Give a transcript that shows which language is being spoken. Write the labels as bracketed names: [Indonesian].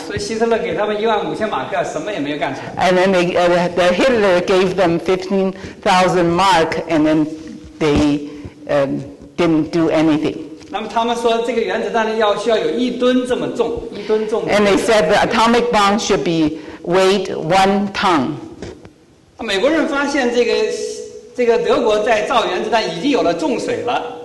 [Chinese] 所以希特勒给他们15,000马克，什么也没有干成。 [English] And then the Hitler gave them 15,000 mark, and then they didn't do anything. [Chinese] 那么他们说这个原子弹要需要有一吨重。 [English] And they said the atomic bomb should be weighed 1 ton. [Chinese] 美国人发现这个德国在造原子弹已经有了重水了。